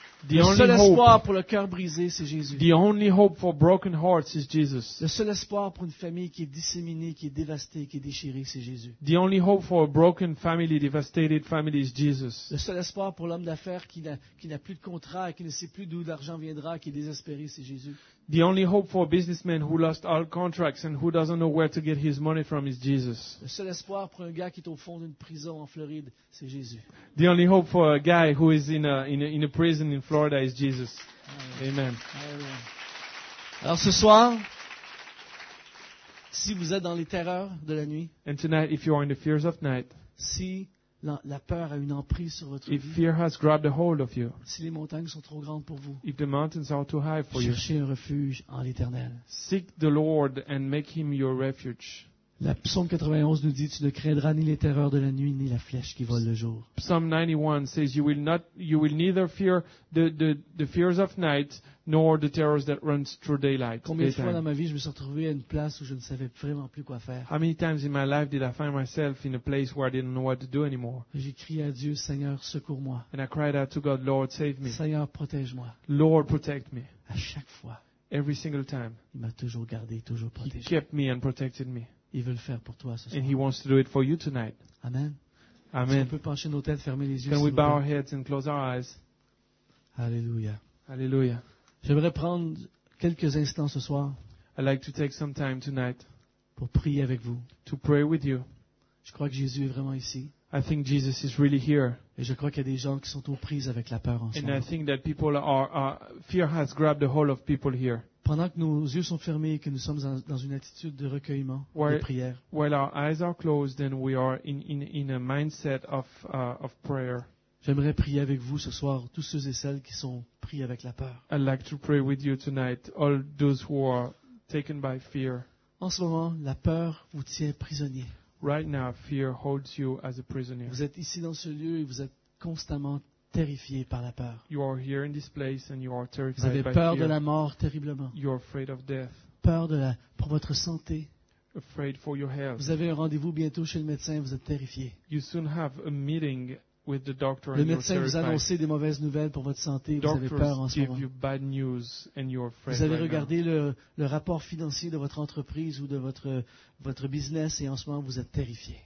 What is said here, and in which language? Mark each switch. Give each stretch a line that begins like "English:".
French: Le seul espoir pour le cœur brisé, c'est Jésus.
English: The only hope for broken hearts is Jesus.
French: Le seul espoir pour une famille qui est disséminée, qui est dévastée, qui est déchirée, c'est Jésus.
English: The only hope for a broken family, devastated family is Jesus.
French: Le seul espoir pour l'homme d'affaires qui n'a plus de contrat et qui ne sait plus d'où l'argent viendra, qui est désespéré, c'est Jésus.
English: The only hope for a businessman who lost all contracts and who doesn't know where to get his money from is Jesus.
French: Le seul espoir pour un gars qui est au fond d'une prison en Floride, c'est Jésus.
English: The only hope for a guy who is in a prison in Florida is Jesus. Amen. Amen. Amen.
French: Alors ce soir, si vous êtes dans les terreurs de la nuit,
English: and tonight if you are in the fears of night,
French: si la peur a une emprise sur votre
English: if
French: vie.
English: Fear has grabbed a hold of you.
French: Si les montagnes sont trop grandes pour vous.
English: If the mountains are too high for
French: cherchez
English: you.
French: Un refuge en l'Éternel.
English: Seek the Lord and make him your refuge.
French: La psaume 91 nous dit tu ne craindras ni les terreurs de la nuit ni la flèche qui vole le jour.
English: Psalm 91 says you will neither fear the fears of night nor the terrors that runs through daylight.
French: Combien de fois dans ma vie je me suis retrouvé à une place où je ne savais vraiment plus quoi faire?
English: How many times in my life did I find myself in a place where I didn't know what to do anymore?
French: J'ai crié à Dieu, Seigneur, secours-moi.
English: And I cried out to God, Lord, save me.
French: Seigneur, protège-moi.
English: Lord, protect me.
French: À chaque fois.
English: Every single time.
French: Il m'a toujours gardé, toujours protégé.
English: He kept me and protected me.
French: Il veut le faire pour toi ce soir.
English: And he wants to do it for you tonight. Amen. Amen.
French: On peut pencher nos têtes, fermer les yeux.
English: Can we bow our heads and close our eyes?
French: Alléluia.
English: Alléluia.
French: J'aimerais prendre quelques instants ce soir.
English: I'd like to take some time tonight.
French: Pour prier avec vous.
English: To pray with you.
French: Je crois que Jésus est vraiment ici.
English: I think Jesus is really here.
French: Et je crois qu'il y a des gens qui sont aux prises avec la peur en ce moment.
English: And I think that people are fear has grabbed a hold of people here.
French: Pendant que nos yeux sont fermés et que nous sommes dans une attitude de recueillement,
English: while,
French: de prière.
English: While our eyes are closed and we are in a mindset of prayer.
French: J'aimerais prier avec vous ce soir, tous ceux et celles qui sont pris avec la peur.
English: I'd like to pray with you tonight, all those who are taken by fear.
French: En ce moment, la peur vous tient prisonnier.
English: Right now, fear holds you as a prisoner.
French: Vous êtes ici dans ce lieu et vous êtes constamment terrifié par la peur.
English: You are here in this place and you are terrified.
French: Vous avez peur
English: by
French: de la mort terriblement.
English: You are afraid of death.
French: Peur de la pour votre santé.
English: Afraid for your health.
French: Vous avez un rendez-vous bientôt chez le médecin, vous êtes terrifié.
English: You soon have a meeting with the doctor and
French: le médecin vous a annoncé des mauvaises nouvelles pour votre santé, vous avez peur en ce moment.
English: You bad news and you are afraid.
French: Vous avez regardé
English: right
French: le rapport financier de votre entreprise ou de votre business et en ce moment vous êtes terrifié.